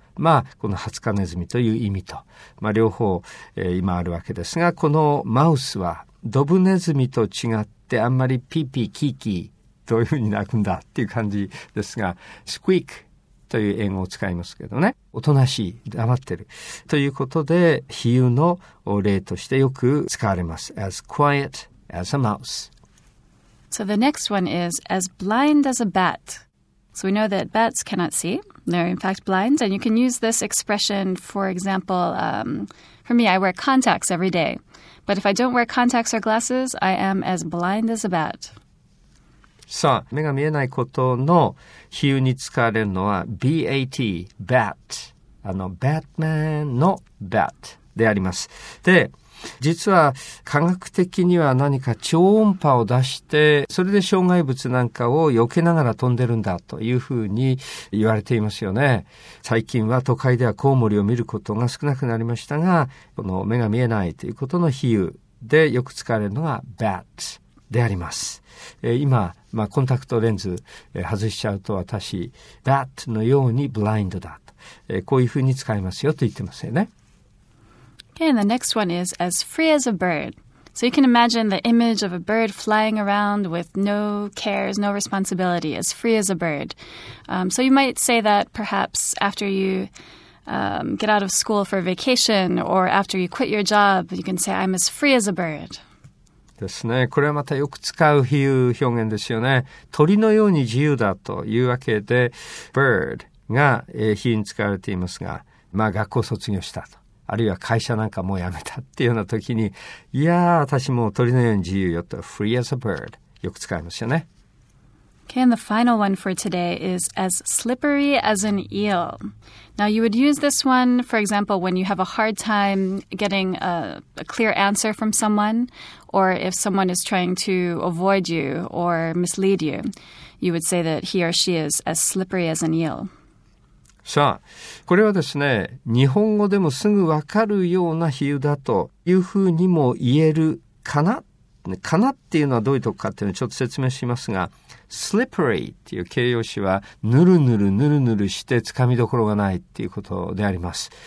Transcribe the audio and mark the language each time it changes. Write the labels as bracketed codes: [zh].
[ja] まあ、このハツカネズミという意味と。まあ、両方、今あるわけですが、このマウスは、ドブネズミと違ってあんまりピーピーキーキーどういうふうに鳴くんだっていう感じですが、スクイークという英語を使いますけどね、おとなしい、黙ってるということで比喩の例としてよく使われます。 [en] As quiet as a mouse. So the next one is as blind as a bat. So we know that bats cannot see. They're in fact blind, and you can use this expression, for example, for me, I wear contacts every day. But if I don't wear contacts or glasses, I am as blind as a bat. [ja] さあ、目が見えないことの比喩に使われるのは BAT、BAT。あの、Batman の BAT であります。で、実は科学的には何か超音波を出して、それで障害物なんかを避けながら飛んでるんだというふうに言われていますよね。最近は都会ではコウモリを見ることが少なくなりましたが、この目が見えないということの比喩でよく使われるのが bat であります。今、まあ、コンタクトレンズ外しちゃうと私、bat のように blind だと。こういうふうに使いますよと言ってますよね。 [en] Okay, and the next one is as free as a bird. So you can imagine the image of a bird flying around with no cares, no responsibility, as free as a bird. So you might say that perhaps after you get out of school for a vacation or after you quit your job, you can say, I'm as free as a bird. [ja] ですね。これはまたよく使う比喩表現ですよね。鳥のように自由だというわけで、bird が比喩に使われていますが、まあ学校卒業したと。あるいは会社なんかもう辞めたっていうような時に、いやー私も鳥のように自由よと、 [en] free as a bird、 [ja] よく使いますよね。 [en] Okay, and the final one for today is as slippery as an eel. Now you would use this one, for example, when you have a hard time getting a clear answer from someone, or if someone is trying to avoid you or mislead you, you would say that he or she is as slippery as an eel. [ja] さあ、これはですね、日本語でもすぐわかるような比喩だというふうにも言えるかな。かなっていうのはどういうとこかっていうのをちょっと説明しますが、slippery っていう形容詞は、ぬるぬるぬるぬるしてつかみどころがないっていうことであります。